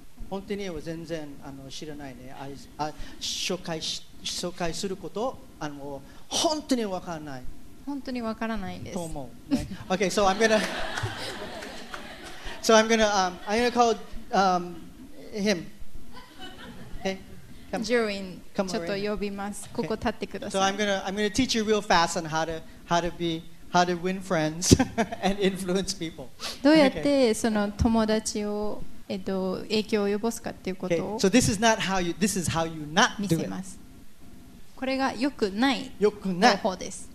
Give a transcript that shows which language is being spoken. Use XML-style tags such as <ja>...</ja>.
<ja>本当には全然あの知らないね。紹介すること、あの本当に分からない。本当に分からないです。と思う。</ja> <en>OK, so I'm gonna, so I'm gonna call him.</en> <ja>Hey, Jerwin, ちょっと呼びます。ここ立ってください。</ja> <en>Okay. So I'm gonna teach you real fast on how to win friends and influence people.</en> <ja>どうやってその友達を影響を及ぼすかっていうことを。</ja> <en>Okay. So this is not how you. This is how you not do it.</en> <ja>これが良くない方法です。</ja>